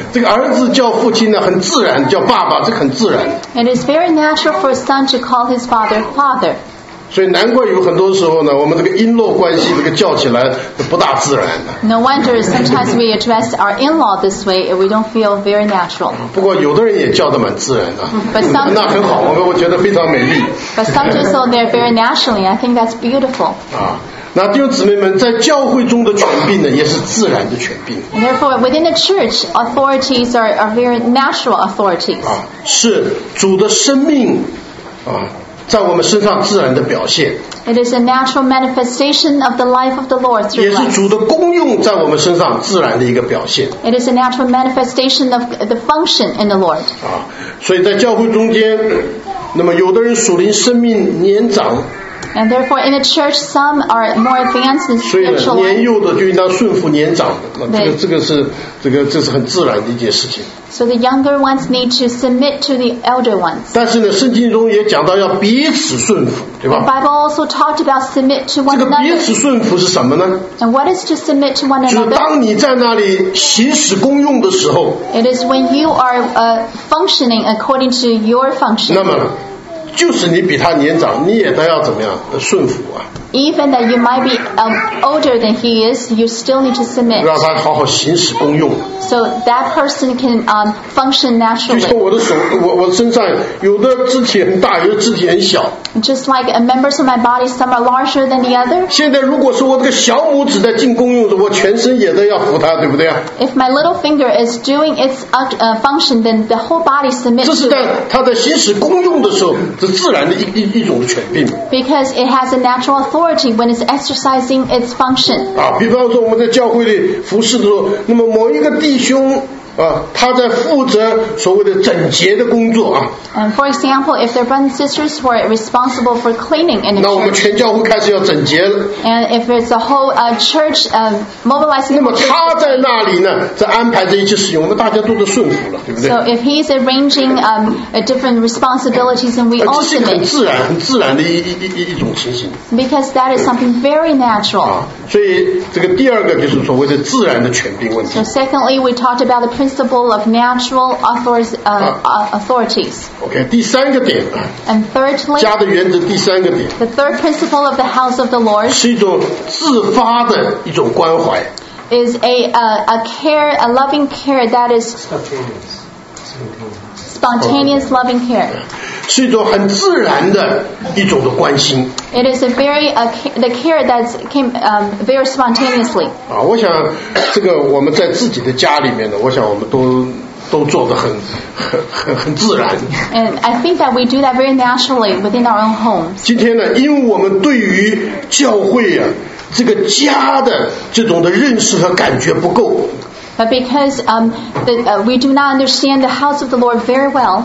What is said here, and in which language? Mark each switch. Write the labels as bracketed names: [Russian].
[Chinese] 这个儿子叫父亲呢，很自然，叫爸爸，这很自然。 [English] It is very natural for a son to call his father father. [Chinese] 所以难怪有很多时候呢，我们这个in-law关系这个叫起来不大自然的。 [English] No wonder sometimes we address our in-law this way and we don't feel very natural. [Chinese] 不过有的人也叫得蛮自然的。 [English] But some, [Chinese] 那很好，我觉得非常美丽。 [English] But some do so they're very naturally. I think that's beautiful. [Chinese] 那弟兄姊妹们在教会中的权柄呢，也是自然的权柄。 [English] And therefore, within the church, authorities are very natural authorities. [Chinese] 是主的生命在我们身上自然的表现。 [English] It is a natural manifestation of the life of the Lord through life. [Chinese] 也是主的功用在我们身上自然的一个表现。 [English] It is a natural manifestation of the function in the Lord. [Chinese] 所以在教会中间，那么有的人属灵生命年长。 [English] And therefore, in the church, some are more advanced in spiritual life. [Chinese] 所以年幼的就应当顺服年长的，这是很自然的一件事情。 [English] So the younger ones need to submit to the elder ones. [Chinese] 但是呢，圣经中也讲到要彼此顺服，对吧？ [English] The Bible also talked about submit to one another. [Chinese] 这个彼此顺服是什么呢？ [English] And what is to submit to one another? [Chinese] 就是当你在那里行使功用的时候。 [English] It is when you are functioning according to your function. [Chinese] 那么。就是你比他年长，你也都要怎么样顺服啊 [English] ？Even that you might be older than he is, you still need to submit. [Chinese] 让他好好行使功用。 [English] So that person can function naturally. [Chinese] 就像我的手，我身上有的肢体很大，有的肢体很小。 [English] Just like members of my body, some are larger than the other. [Chinese] 现在如果说我这个小拇指在尽功用，我全身也都要服他，对不对啊 [English] ？If my little finger is doing its function, then the whole body submits. [Chinese] 这是在他在行使功用的时候。是自然的一种的权柄。 [English] Because it has a natural authority when it's exercising its function. [Chinese] 比方说我们在教会里服侍的时候，那么某一个弟兄他在负责所谓的整洁的工作 [English] And for example, if their brothers and sisters were responsible for cleaning in the church, [Chinese] 那我们全教会开始要整洁了。 [English] And if it's a whole church mobilizing, [Chinese] 那么他在那里呢，在安排这一切事情，我们大家都是顺服了，对不对 [English] ？So if he's arranging different responsibilities, and we all submit, [Chinese] 这是很自然、很自然的一种情形。 [English] Because that is something very natural. [Chinese] 所以这个第二个就是所谓的自然的权柄问题。 [English] So secondly, we talked about the principle of natural authorities. [Chinese] Okay, 第三个点。 [English] And thirdly, [Chinese] 家的原则第三个点。 [English] The third principle of the house of the Lord [Chinese] 是一种自发的一种关怀。 [English] Is a care, a loving care that is spontaneous loving care. [Chinese] 是一种很自然的一种的关心。 [English] It is a very the care that came very spontaneously. [Chinese] 我想这个我们在自己的家里面呢，我想我们都做得很自然。 [English] And I think that we do that very naturally within our own homes. [Chinese] 今天呢，因为我们对于教会啊这个家的这种的认识和感觉不够。 [English] But because we do not understand the house of the Lord very well.